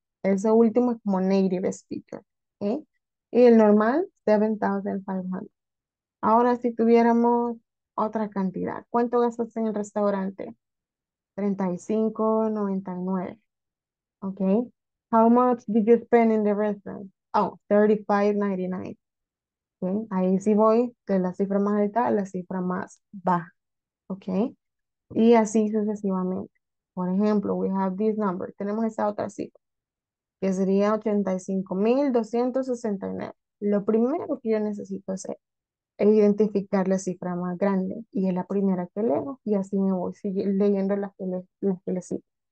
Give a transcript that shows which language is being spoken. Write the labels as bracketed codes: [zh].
[es] Ese último es como native speaker, ¿okay? Y el normal, 7500. Ahora, si tuviéramos otra cantidad, ¿cuánto gastaste en el restaurante? [en] 35.99. Okay. How much did you spend in the restaurant? Oh, 35.99. Okay. [es] Ahí sí voy de la cifra más alta a la cifra más baja. Okay. Y así sucesivamente. Por ejemplo, [en] we have this number. [es] Tenemos esta otra cifra, que sería 85.269. Lo primero que yo necesito hacer e identificar la cifra más grande y es la primera que leo y así me voy sigue leyendo las que le siguen.